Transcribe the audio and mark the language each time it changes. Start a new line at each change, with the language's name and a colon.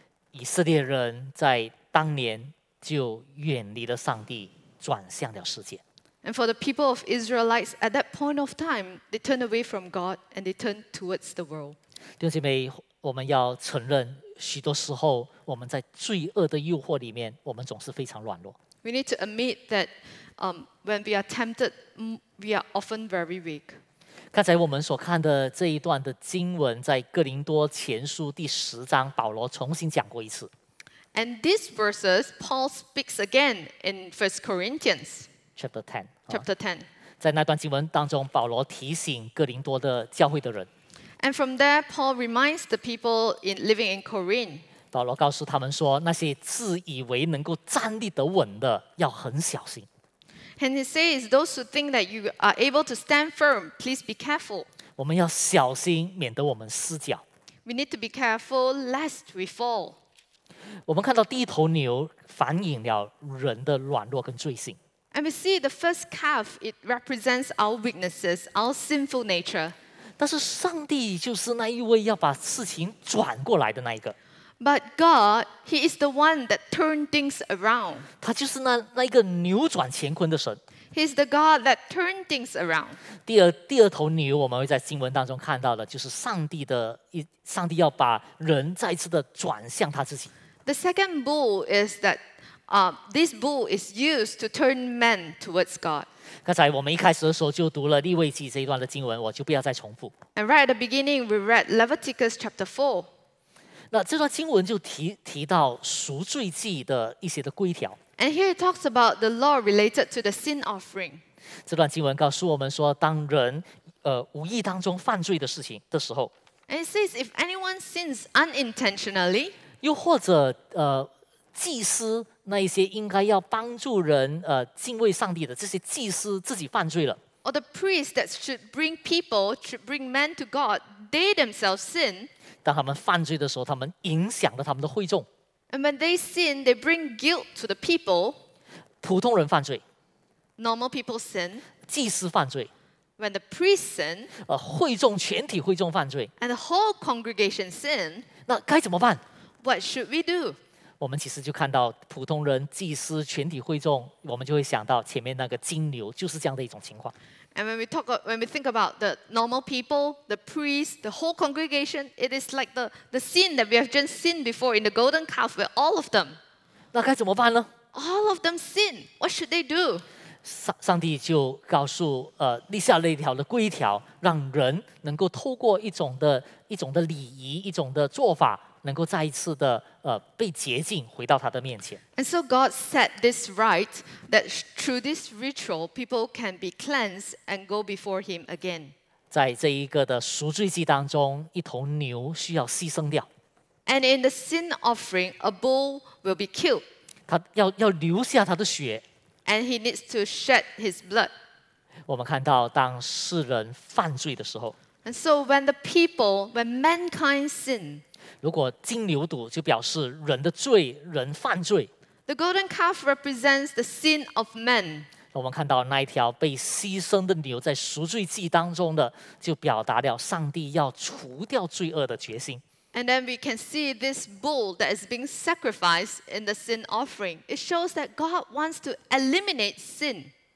Chinese: 以色列人在当年就远离了上帝，转向了世界。
English: And for the people of Israelites, at that point of time, they turn away from God and they turn towards the world.
Chinese: 弟兄姐妹，我们要承认，许多时候我们在罪恶的诱惑里面，我们总是非常软弱。
English: We need to admit that, when we are tempted, we are often very weak.
Chinese: 刚才我们所看的这一段的经文，在哥林多前书第十章，保罗重新讲过一次。
English: And these verses, Paul speaks again in 1 Corinthians. Chapter 10.
Chinese: 在那段经文当中，保罗提醒哥林多的教会的人。
English: And from there, Paul reminds the people in living in Corinth.
Chinese: 保罗告诉他们说，那些自以为能够站立得稳的，要很小心。
English: And he says, those who think that you are able to stand firm, please be careful.
Chinese: 我们要小心，免得我们失脚。
English: We need to be careful lest we fall.
Chinese: 我们看到第一头牛反映了人的软弱跟罪性。
English: And we see the first calf, it represents our weaknesses, our sinful nature.
Chinese: 但是上帝就是那一位要把事情转过来的那一个。
English: But God, He is the one that turns things around.
Chinese: 他就是那一个扭转乾坤的神。
English: He is the God that turns things around.
Chinese: 第二头牛，我们会在经文当中看到的，就是上帝要把人再次的转向他自己。
English: The second bull is that. This bull is used to turn men towards God.
Chinese: 刚才我们一开始的时候就读了利未记这一段的经文，我就不要再重复。
English: And right at the beginning, we read Leviticus chapter 4.
Chinese: 那这段经文就提到赎罪祭的一些的规条。
English: And here it talks about the law related to the sin offering.
Chinese: 这段经文告诉我们说，当人无意当中犯罪的事情的时候。
English: And it says if anyone sins unintentionally.
Chinese: 又或者祭司那一些应该要帮助人敬畏上帝的这些祭司自己犯罪了。
English: Or the priest that should bring people, should bring men to God, they themselves sin.
Chinese: 当他们犯罪的时候，他们影响了他们的会众。
English: And when they sin, they bring guilt to the people.
Chinese: 普通人犯罪。
English: Normal people sin.
Chinese: 祭司犯罪。
English: When the priest sin.
Chinese: 会众全体会众犯罪。
English: And the whole congregation sin.
Chinese: 那该怎么办？
English: What should we do?
Chinese: 我们其实就看到普通人、祭司、全体会众，我们就会想到前面那个金牛就是这样的一种情况。
English: And when we think about the normal people, the priests, the whole congregation, it is like the scene that we have just seen before in the golden calf, where all of them.
Chinese: 那该怎么办呢
English: ？All of them sin. What should they do?
Chinese: 上帝就告诉立下了一条的规条，让人能够透过一种的礼仪，一种的做法。能够再一次的被洁净回到他的面前。
English: And so God set this right that through this ritual people can be cleansed and go before him again.
Chinese: 在这一个的赎罪祭当中，一头牛需要牺牲掉。
English: And in the sin offering, a bull will be killed.
Chinese: 他要流下他的血。
English: And he needs to shed his blood.
Chinese: 我们看到当世人犯罪的时候。
English: And so when mankind sin,
Chinese: 如果金牛犊就表示人的罪，人犯罪。
English: The golden calf represents the sin of men.
Chinese: 我们看到那一条被牺牲的牛在赎罪祭当中的，就表达了上帝要除掉罪恶的决心。
English: And then we can see this bull that is being sacrificed in the sin offering. It shows that God wants to eliminate sin.